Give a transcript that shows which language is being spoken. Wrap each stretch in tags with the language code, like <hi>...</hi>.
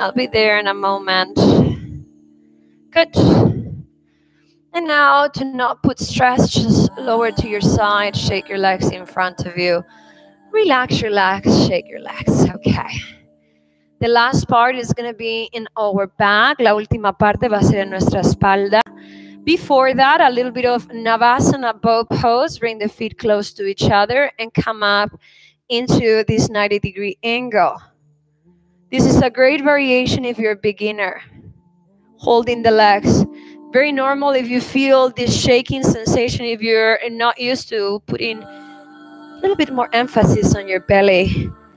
<en>I'll be there in a moment. Good. And now to not put stress, just lower to your side. Shake your legs in front of you. Relax, relax, shake your legs. Okay. The last part is going to be in our back.</en> <es>La última parte va a ser en nuestra espalda.</es> <en>Before that, a little bit of Navasana bow pose. Bring the feet close to each other and come up into this 90-degree angle. This is a great variation if you're a beginner. Holding the legs. Very normal if you feel this shaking sensation if you're not used to putting a little bit more emphasis on your belly.</en>